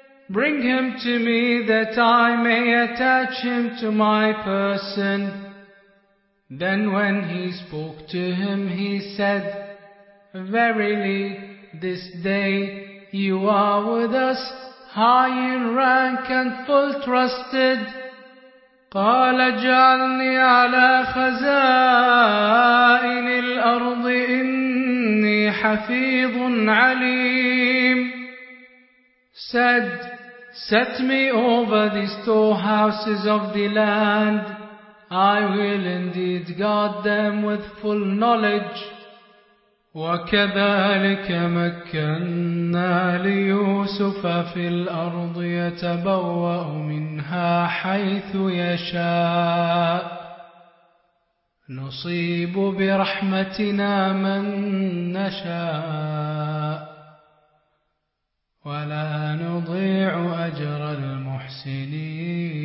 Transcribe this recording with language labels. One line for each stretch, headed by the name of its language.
English: bring him to me that I may attach him to my person. Then when he spoke to him, he said, Verily, this day you are with us, high in rank and full trusted.
Arabic: قال جعلني على خزائن الأرض إني حفيظ عليم.
English: Said, Set me over the storehouses of the land. I will indeed guard them with full knowledge.
Arabic: وكذلك مكنا ليوسف في الأرض يتبوأ منها حيث يشاء نصيب برحمتنا من نشاء ولا نضيع أجر المحسنين.